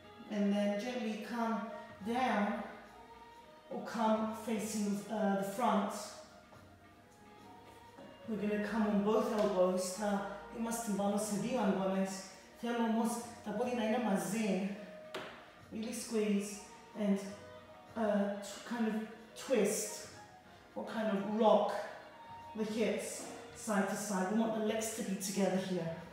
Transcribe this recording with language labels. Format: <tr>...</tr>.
<en>And then gently come down or come facing the front. We're going to come on both elbows.</en> <el>Είμαστε πάνω σε δύο αγκώνες. Θέλω όμως τα πόδια να είναι μαζί.</el> <en>Really squeeze and kind of twist or kind of rock the hips side to side. We want the legs to be together here.</en>